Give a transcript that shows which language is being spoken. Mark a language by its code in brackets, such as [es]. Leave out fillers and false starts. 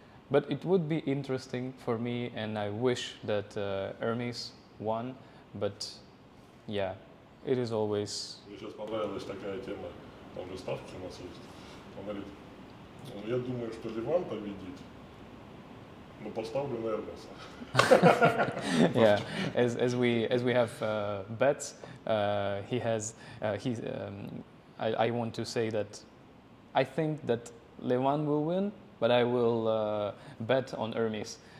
[en] But it would be interesting for me, and I wish that Hermes won, but yeah, it is always... [ru] Мне сейчас понравилась такая тема, там же ставки у нас есть. Он говорит, ну я думаю, что Леван победит, но поставлю на Эрмеса. [en] Yeah, as we have bets, I want to say that I think that Леван will win, but I will bet on Hermes.